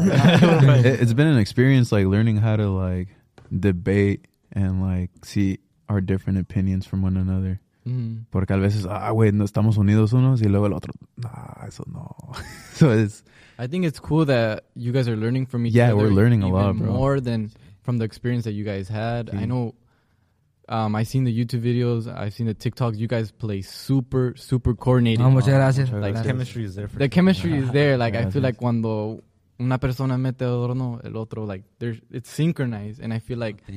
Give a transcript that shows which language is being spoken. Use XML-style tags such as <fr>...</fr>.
<en>it's been an experience, like learning how to like debate and like see our different opinions from one another. Mm-hmm.</en> <es>Porque a veces, güey, no estamos unidos unos y luego el otro, eso no.</es> <en>So it's. I think it's cool that you guys are learning from each other. Yeah, we're learning even a lot, bro. More than from the experience that you guys had. Sí. I know. I seen the YouTube videos. I've seen the TikToks. You guys play super, super coordinated.</en> <es>No, muchas gracias.</es> <en>Like, the chemistry is there. Is there. Like, I feel like</en> <es>cuando una persona mete adorno, el otro,</es> <en>like, it's synchronized. And I feel like</en>